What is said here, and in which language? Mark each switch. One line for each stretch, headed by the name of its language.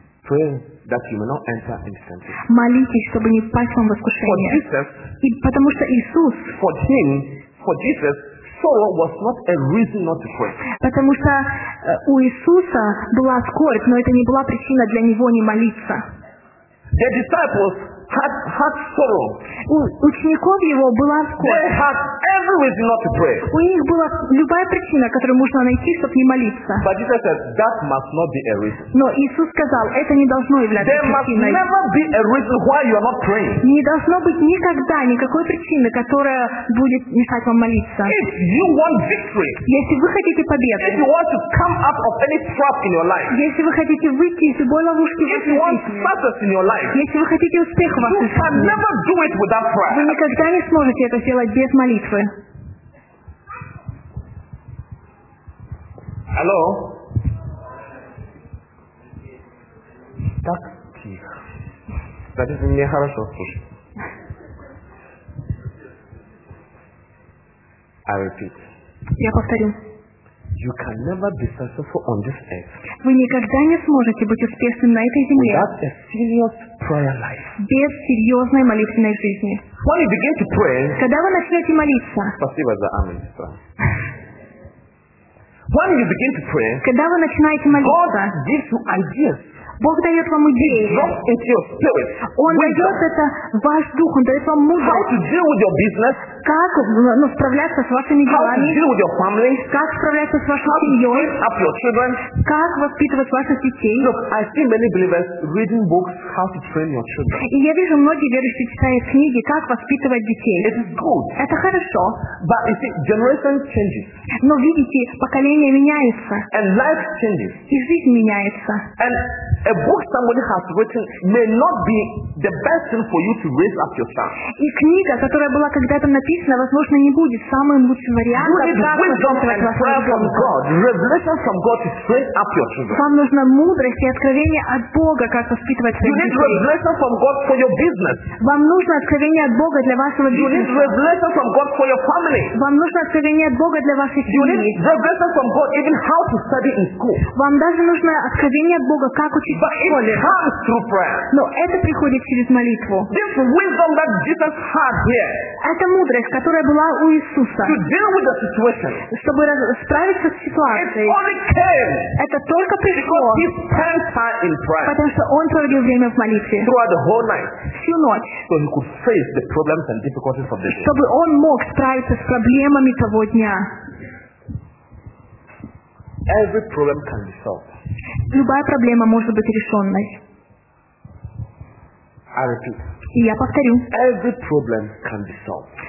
English: Pray that you may not enter into temptation.
Russian: Молитесь, чтобы не впасть вам в искушение.
English: For Jesus.
Russian: И потому что Иисус.
English: For him, for Jesus. Sorrow was not a reason not to pray.
Russian: Потому что у Иисуса была скорбь, но это не была причина для него не молиться.
English: The disciples had sorrow.
Russian: У учеников его была скорбь.
English: They had every reason not to pray.
Russian: У них была любая причина, которую можно найти, чтобы не молиться.
English: But Jesus said that must not be a reason.
Russian: Но Иисус сказал, это не должно являться причиной.
English: There must never be a reason why you are not praying.
Russian: Не должно быть никогда никакой причины, которая будет мешать вам молиться.
English: If you want victory,
Russian: если вы хотите победы,
English: if you want to come out of any trap in your life,
Russian: если вы хотите выйти из любой ловушки,
English: if you want success in your life,
Russian: если вы хотите успех в вашей жизни,
English: you can never do it without prayer.
Russian: Вы никогда не сможете это сделать без молитвы.
English: Hello?
Russian: Так тихо. Значит, мне хорошо слушать.
English: I repeat.
Russian: Я повторю.
English: You can never be successful on this earth.
Russian: Вы никогда не сможете быть успешным на этой земле.
English: Without a serious prayer life.
Russian: Без серьезной молитвенной жизни.
English: When you begin to pray.
Russian: Когда вы начнете молиться. Спасибо за амин.
English: When you begin to pray.
Russian: Когда вы начинаете молиться.
English: God gives you ideas.
Russian: Бог дает вам идеи. Он дает это в ваш дух. Он дает вам мудрость. Как справляться с вашими делами. Как справляться с вашей семьей. Как воспитывать ваших детей.
English: Look,
Russian: и я вижу, многие верующие читают книги, как воспитывать детей. Это хорошо.
English: See,
Russian: но видите, поколение меняется. И жизнь меняется.
English: And A book somebody has written may not be the best thing for you to raise up your son.
Russian: И книга, которая была когда-то написана, возможно, не будет самым лучшим вариантом.
English: You need wisdom and prayer from God. Revelation from God to train up your children.
Russian: Вам нужна мудрость и откровение от Бога, как воспитывать своих детей.
English: You need revelation from God for your business.
Russian: Вам нужно откровение от Бога для вашего бизнеса.
English: You need revelation from God for your family.
Russian: Вам нужно откровение от Бога для вашей семьи.
English: You need revelation from God even how to study in school.
Russian: Вам даже нужно откровение от Бога, как
English: But it comes through prayer.
Russian: Но это приходит через молитву.
English: This wisdom that Jesus had here.
Russian: Эта мудрость, которая была у Иисуса.
English: To deal with the situation.
Russian: Чтобы справиться с ситуацией.
English: It only came.
Russian: Это только пришло.
English: Because he spent time in prayer.
Russian: Потому что он проводил время в молитве.
English: Throughout the whole night.
Russian: Всю ночь.
English: So he could face the problems and difficulties of the day.
Russian: Чтобы он мог справиться с проблемами того дня.
English: Every problem can be solved.
Russian: Любая проблема может быть решенной. И я повторю.
English: Every problem can be solved.